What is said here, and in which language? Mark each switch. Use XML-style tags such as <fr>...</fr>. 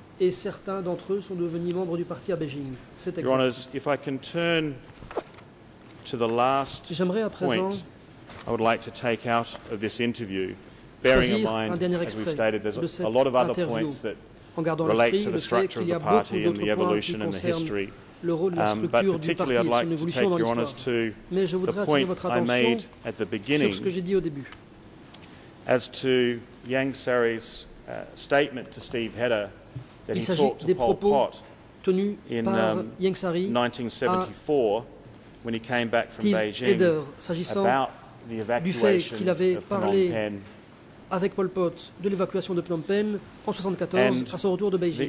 <fr>Et certains d'entre eux sont devenus membres du parti à Beijing. C'est</fr> <en>Your Honours, if I can turn to the last</en> <fr>j'aimerais à présent</fr> <en>point I would like to take out of this interview, bearing in mind, as we've stated, there's a lot of other points that relate to the structure of the party and the evolution and the history. But particularly I'd like to take Your Honours to the point I made at the beginning as to Yang Sari's statement to Steve Hedder that he talked to Pol Pot in 1974 when he came back from Beijing about</en> <fr>du fait qu'il avait parlé avec Pol Pot de l'évacuation de Phnom Penh en 1974 à son retour de Beijing.</fr>